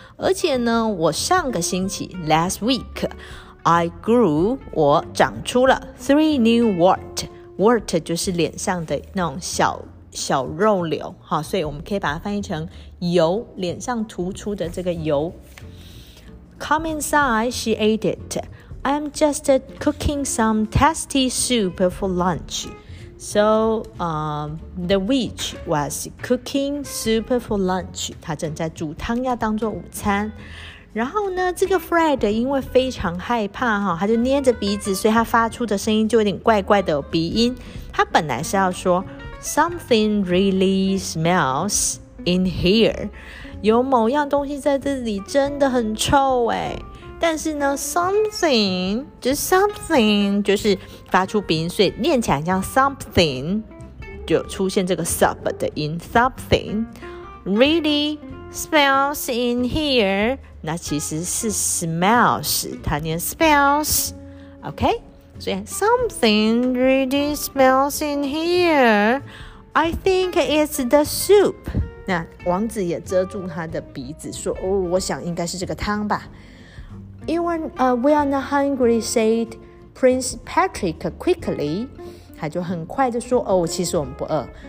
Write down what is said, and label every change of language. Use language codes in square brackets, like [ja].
[zh] 而且呢，我上个星期 [en] last week, I grew, [zh] 我长出了 [en] 3 new warts. [zh] Wart 就是脸上的那种小小肉瘤，好，所以我们可以把它翻译成油，脸上突出的这个油。 [en] Come inside, she ate it. I'm just cooking some tasty soup for lunch. So, the witch was cooking soup for lunch. [zh] 她正在煮汤要当做午餐。然后呢，这个 Fred 因为非常害怕，他就捏着鼻子，所以他发出的声音就有点怪怪的鼻音。他本来是要说 [en] something really smells in here. [zh] 有某样东西在这里真的很臭耶。但是呢 [en] something, just something, [zh] 就是发出鼻音，所以念起来像 something, 就出现这个 sub 的音 [en] something, really smells in here, [zh] 那其实是 smells, 它念 smells, OK, 所以 [en] something really smells in here, I think it's the soup, [zh] 那王子也遮住他的鼻子说，哦，我想应该是这个汤吧。 [en] We are not hungry, said Prince Patrick quickly. [zh] 他就很快地说，哦，其实我们不饿。